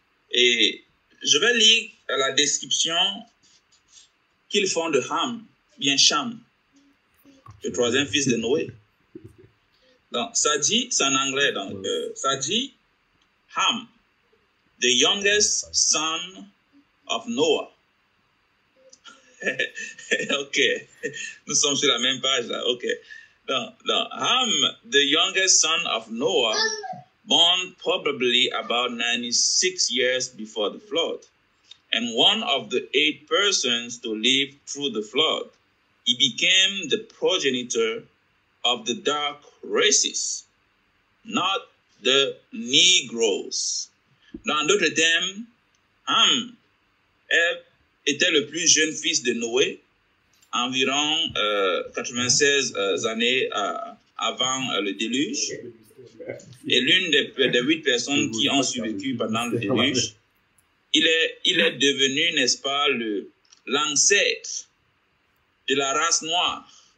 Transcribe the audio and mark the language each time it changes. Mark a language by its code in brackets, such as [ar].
[fr] Et je vais lire la description qu'ils font de Ham, bien Cham, le troisième fils de Noé. Donc, ça dit, c'est en anglais, donc, ça dit, [en] Ham, the youngest son of Noah. [fr] OK, nous sommes sur la même page là, OK. [en] Donc, Ham, the youngest son of Noah, born probably about 96 years before the flood, and one of the 8 persons to live through the flood, he became the progenitor of the dark races, not the Negroes. [fr] Dans d'autres termes, Ham était le plus jeune fils de Noé, environ 96 années avant le déluge. Et l'une des 8 personnes qui ont survécu pendant le déluge, il est devenu, n'est-ce pas, l'ancêtre de la race noire.